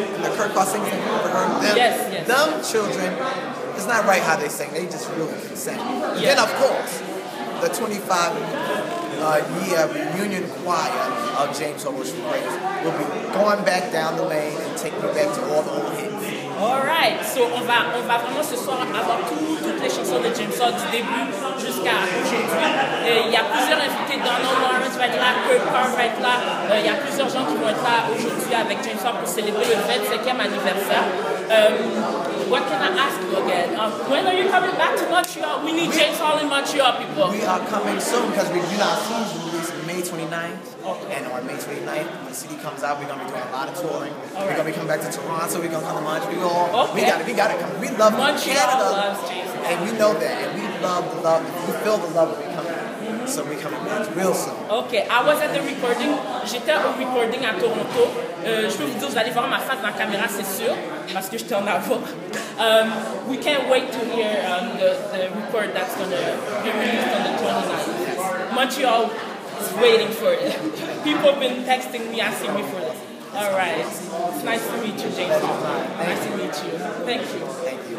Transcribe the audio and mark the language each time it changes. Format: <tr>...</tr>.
<en>And the Kirk Carr singers, have you ever heard of them? Yes, yes. Them children, it's not right how they sing. They just really can sing. Yes. Then, of course, the 25-year reunion choir of James Hall, which will be going back down the lane and taking me back to all the old hits. All right,</en> <fr>so on va vraiment ce soir avoir toutes les chansons de James Hall du début jusqu'à aujourd'hui. Il y a plusieurs invités, Donald Lawrence va être là, Kirk Carr va être là. Il y a plusieurs gens qui vont être là aujourd'hui avec James Hall pour célébrer le 25e anniversaire.</fr> <en>What can I ask you again? When are you coming back to Montreal? We need James Hall in Montreal, people. We are coming soon because we've been out soon. May 29th, okay. And on May 29th, when the CD comes out, we're going to be doing a lot of touring. All we're right. going to be coming back to Toronto, we're going to come to Montreal. Okay. We got to come. We love Montreal Canada. Loves Jesus. And we know that. And we love the love. We feel the love when we come back. Mm-hmm. So we're coming back real soon. Okay, I was at the recording.</en> <fr>J'étais au recording à Toronto. Je peux vous dire, vous allez voir ma face dans la caméra, c'est sûr, parce que j'étais en avant.</fr> <en>We can't wait to hear the record that's going to be released on the 29th. Montreal. Waiting for it. People have been texting me, asking me for this. All right. It's nice to meet you, James. Nice to meet you. Thank you.</en>